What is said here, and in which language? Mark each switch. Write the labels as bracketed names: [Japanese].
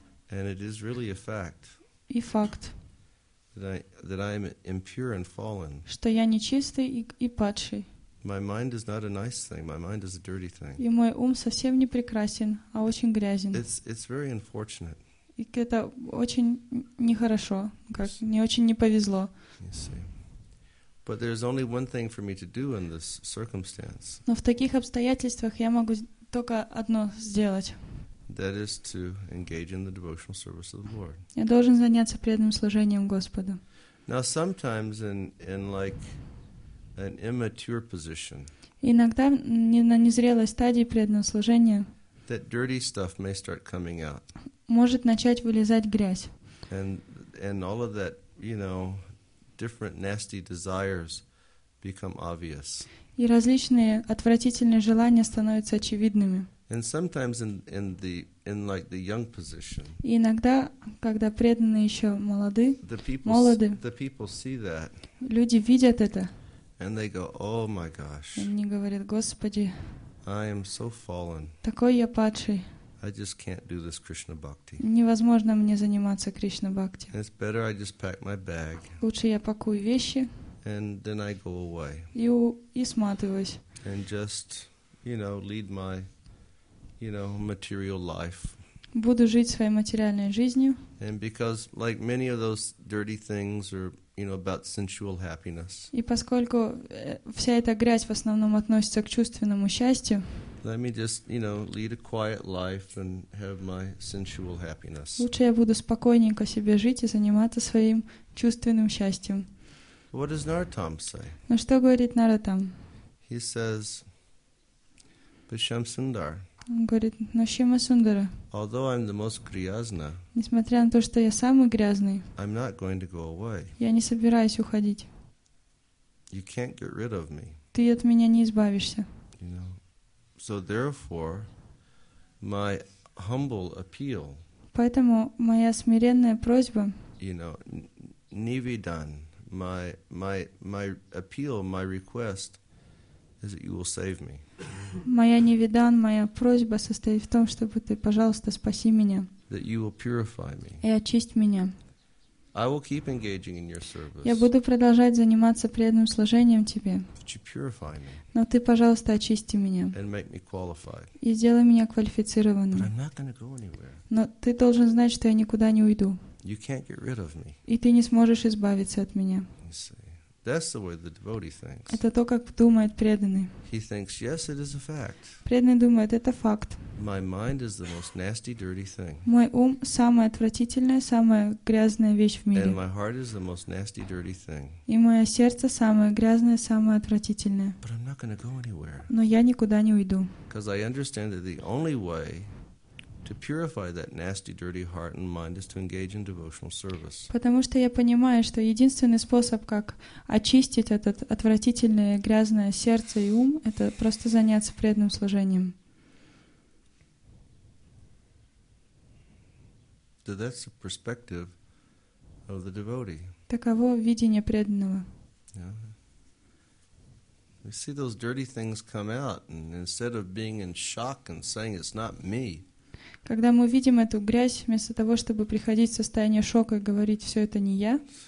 [English] And it is really a fact. [Russian] И факт, [English] that I am impure and fallen. [Russian] Что я нечистый и падший. [English] My mind is not a nice thing. My mind is a dirty thing. [Russian] И мой ум совсем не прекрасен, а очень грязен. [English] It's very unfortunate. [Russian] И это очень нехорошо, как не очень не повезло. [English] But there's only one thing for me to do in this circumstance. [Russian] Но в таких обстоятельствах я могу только одно сделать. [English] That is to engage in the devotional service of the Lord. [Russian] Я должен заняться преданным служением Господу. [English] Now, sometimes in like an immature position. [Russian] Иногда на незрелой стадии преданного служения. [English] That dirty stuff may start coming out. [Russian] Может начать вылезать грязь. [English] And all of that, you know, different nasty desires become obvious. [Russian] И различные отвратительные желания становятся очевидными. [English] And sometimes in the young position. [Russian] И иногда, когда преданные еще молоды, [English] the people see that. [Russian] Люди видят это. [English] And they go, oh my gosh. [Russian] И они говорят, Господи, [English] I am so fallen. [Russian] Такой я падший. [English] I just can't do this Krishna bhakti. [Russian] Невозможно мне заниматься Кришна бхакти. [English] It's better I just pack my bag. [Russian] Лучше я пакую вещи. [English] And then I go away. [Russian] И сматываюсь. [English] And just, you know, lead my, you know, material life. [Russian] Буду жить своей материальной жизнью. [English] And because, like many of those dirty things are, you know, about sensual happiness. [Russian] И поскольку вся эта грязь в основном относится к чувственному счастью. [English] Let me just, you know, lead a quiet life and have my sensual happiness. [Russian] Лучше я буду спокойненько себе жить и заниматься своим чувственным счастьем. [English] What does Narottam say? [Russian] Ну что говорит Нарадам? [English] He says, Bhishyam Sundar. [Russian] Он говорит, Нашима Сундара. [English] Although I'm the most griyazna, [Russian] несмотря на то, что я самый грязный, [English] I'm not going to go away. [Russian] Я не собираюсь уходить. [English] You can't get rid of me. [Russian] Ты от меня не избавишься. [English] You know? So therefore, my humble appeal. [Russian] Поэтому моя смиренная просьба. [English] You know, nividan, my appeal, my request, is that you will save me. [Russian] Моя нивидан, моя просьба состоит в том, чтобы ты, пожалуйста, спаси меня. [English] That you will purify me. [Russian] И очисти меня. [English] I will keep engaging in your service. [Russian] Я буду продолжать заниматься преданным служением тебе. [English] But you purify me. [Russian] Но ты, пожалуйста, очисти меня. [English] And make me qualified. [Russian] И сделай меня квалифицированным. [English] But I'm not gonna go anywhere. [Russian] Но ты должен знать, что я никуда не уйду. [English] You can't get rid of me. [Russian] И ты не сможешь избавиться от меня. [English] You see. That's the way the devotee thinks. [Russian] Это то, как думает преданный. [English] He thinks, yes, it is a fact. [Russian] Преданный думает, это факт. [English] My mind is the most nasty, dirty thing. [Russian] Мой ум самая отвратительная, самая грязная вещь в мире. [English] And my heart is the most nasty, dirty thing. [Russian] И мое сердце самое грязное, самое отвратительное. [English] But I'm not going to go anywhere. [Russian] Но я никуда не уйду. [English] Because I understand that the only way to purify that nasty, dirty heart and mind is to engage in devotional service. [Russian] Потому что я понимаю, что единственный способ, как очистить это отвратительное, грязное сердце и ум, это просто заняться преданным служением. [English] So that's the perspective of the devotee. [Russian] Таково видение преданного. [English] We see those dirty things come out, and instead of being in shock and saying it's not me. [Russian] Когда мы видим эту грязь, вместо того, чтобы приходить в состояние шока и говорить, все это не я,